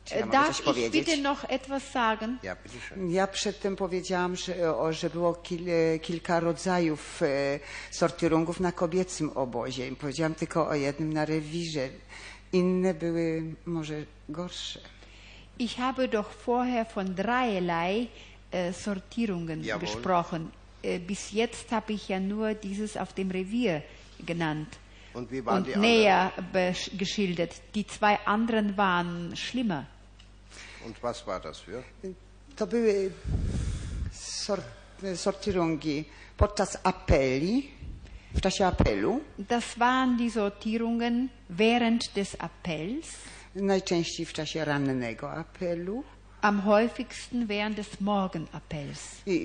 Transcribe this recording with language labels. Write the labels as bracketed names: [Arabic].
[German] Darf ich bitte noch etwas sagen? Ja, bitte schön. [Polish] Ja przedtem powiedziałam, że było kilka rodzajów sortierungów na kobiecym obozie. Powiedziałam tylko o jednym na rewirze. Inne były może gorsze. [German] Ich habe doch vorher von dreierlei Sortierungen Jawohl. Gesprochen. Bis jetzt habe ich ja nur dieses auf dem Revier genannt und, wie waren und die näher geschildert. Die zwei anderen waren schlimmer. Und was war das für? [Polish] To były sortierungi podczas apeli, w czasie apelu. [German] Das waren die Sortierungen während des Appells. [Polish] Najczęściej w czasie rannego apelu. [German] Am häufigsten während des Morgenappells.